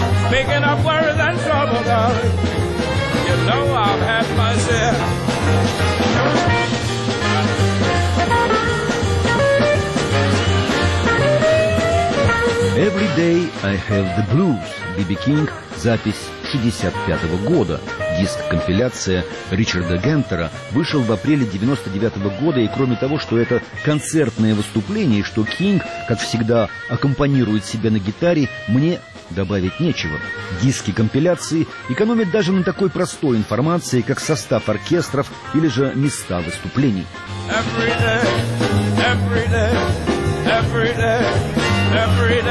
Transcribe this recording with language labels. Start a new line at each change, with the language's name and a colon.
English: Making up worries and trouble, darling. You know I've had my share. Every day I have the blues. B.B.
Russian: King, запись 65-го года. Диск-компиляция Ричарда Гентера вышел в апреле 99-го года, и кроме того, что это концертное выступление, и что Кинг, как всегда, аккомпанирует себя на гитаре, мне добавить нечего. Диски-компиляции экономят даже на такой простой информации, как состав оркестров или же места выступлений.
English: Every day, every day, every day.